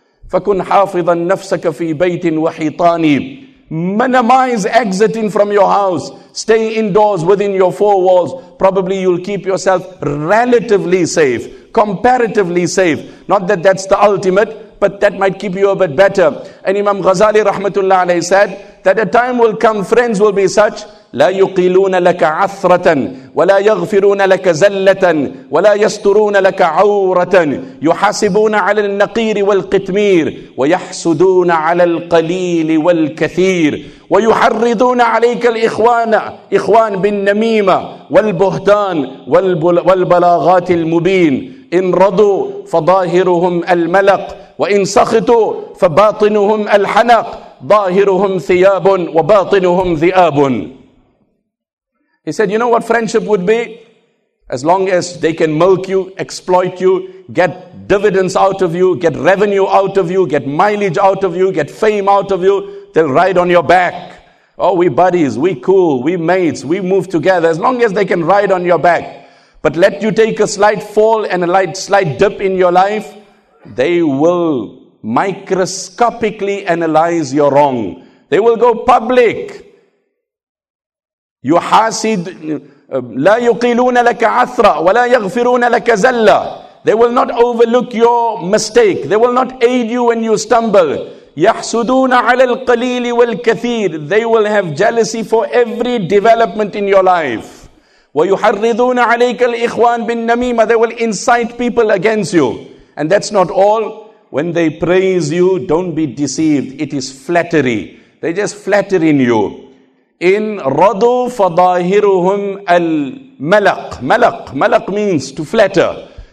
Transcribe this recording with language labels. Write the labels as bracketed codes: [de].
[ar] فَكُنْ حَافِظًا نَفْسَكَ فِي بَيْتٍ وَحِيطَانِ [en] Minimize exiting from your house. Stay indoors within your four walls. Probably you'll keep yourself relatively safe, comparatively safe. Not that that's the ultimate, but that might keep you a bit better. And Imam Ghazali rahmatullah alayhi said, that a time will come, friends will be such, [ar] لا يقيلون لك عثرة ولا يغفرون لك زلة ولا يسترون لك عورة يحاسبون على النقير والقتمير ويحسدون على القليل والكثير ويحرضون عليك الإخوان إخوان بالنميمة والبهتان والبلاغات المبين إن رضوا فظاهرهم الملق وإن سخطوا فباطنهم الحنق ظاهرهم ثياب وباطنهم ذئاب. [en] He said, you know what friendship would be? As long as they can milk you, exploit you, get dividends out of you, get revenue out of you, get mileage out of you, get fame out of you, they'll ride on your back. Oh, we buddies, we cool, we mates, we move together. As long as they can ride on your back. But let you take a slight fall and a slight dip in your life, they will microscopically analyze your wrong. They will go public. [ar] يحاسد لا يقيلون لك عثرة ولا يغفرون لك زلة. [en] They will not overlook your mistake. They will not aid you when you stumble. [ar] يحسدون على القليل والكثير. [en] They will have jealousy for every development in your life. [ar] ويحرضون عليك الإخوان بالنميمة. [en] They will incite people against you. And that's not all. When they praise you, don't be deceived. It is flattery. They're just flattering you. [ar] In radu fadahiruhum al malak. Malak. [en] Malak means to flatter.